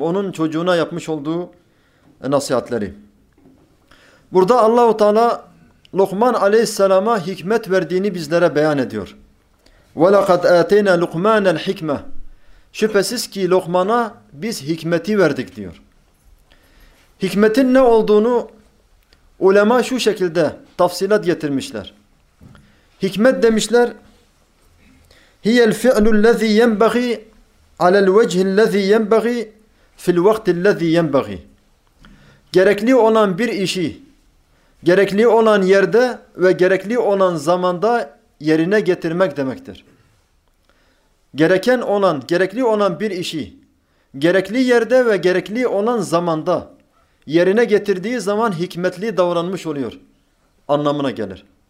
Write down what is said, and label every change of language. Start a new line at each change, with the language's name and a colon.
Turkish: Onun çocuğuna yapmış olduğu nasihatleri. Burada Allah-u Teala Lokman aleyhisselama hikmet verdiğini bizlere beyan ediyor.
Arabic: وَلَقَدْ اَتَيْنَا لُقْمَانَ الْحِكْمَةِ.
Turkish: Şüphesiz ki Lokman'a biz hikmeti verdik diyor. Hikmetin ne olduğunu ulema şu şekilde tafsilat getirmişler. Hikmet demişler,
Arabic: هِيَ الْفِعْلُ الَّذ۪ي يَنْبَغِي عَلَى الْوَجْهِ الَّذ۪ي يَنْبَغِي فِي الْوَقْتِ الَّذ۪ي يَنْبَغِي.
Turkish: Gerekli olan bir işi gerekli olan yerde ve gerekli olan zamanda yerine getirmek demektir. Gereken olan, gerekli olan bir işi gerekli yerde ve gerekli olan zamanda yerine getirdiği zaman hikmetli davranmış oluyor anlamına gelir.